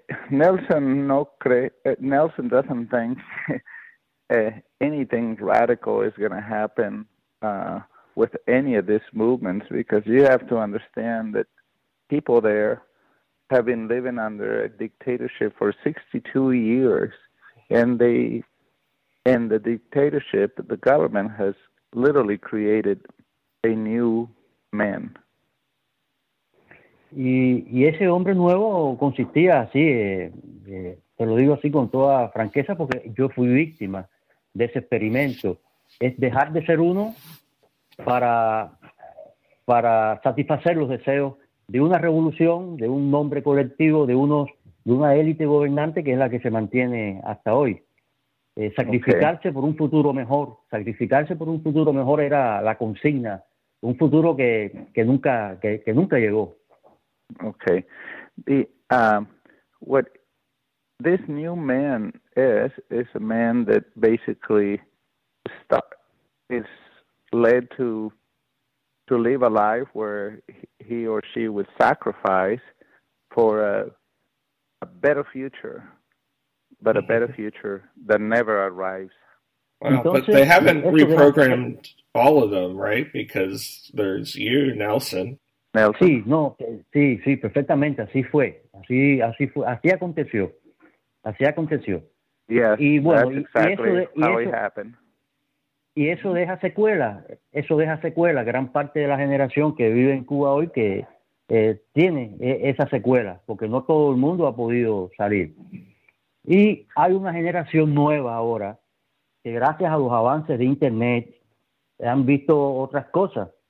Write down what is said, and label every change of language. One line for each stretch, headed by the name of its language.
English: Nelson doesn't think anything radical is going to happen with any of these movements, because you have to understand that people there have been living under a dictatorship for 62 years, and the dictatorship, the government has literally created a new man.
Spanish: Y ese hombre nuevo consistía así, te lo digo así con toda franqueza, porque yo fui víctima de ese experimento, es dejar de ser uno para satisfacer los deseos de una revolución, de un nombre colectivo, de una élite gobernante que es la que se mantiene hasta hoy. Sacrificarse okay. por un futuro mejor, sacrificarse por un futuro mejor era la consigna, un futuro que nunca llegó.
English: Okay. The what this new man is a man that basically is led to live a life where he or she would sacrifice for a better future, but a better future that never arrives. Well, but they haven't reprogrammed all of them, right? Because there's you, Nelson.
Spanish: Sí, no, sí, sí, perfectamente, así fue, así aconteció.
English: Yes,
Spanish: y bueno,
English: that's exactly how it happened.
Spanish: Y eso deja secuela, gran parte de la generación que vive en Cuba hoy que tiene esa secuela, porque no todo el mundo ha podido salir. Y hay una generación nueva ahora, que gracias a los avances de Internet han visto otras cosas.